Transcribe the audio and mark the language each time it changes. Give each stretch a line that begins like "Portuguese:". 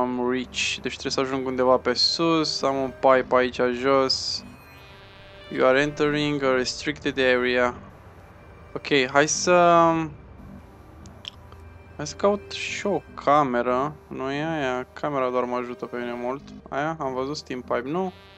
Romanian: Reach. Deci trebuie să ajung undeva pe sus, am un pipe aici jos.
English: You are entering a restricted area.
Romanian: Ok, hai să... Hai să caut și o cameră, nu e aia, camera doar mă ajută pe mine mult. Aia, am văzut steam pipe, nu?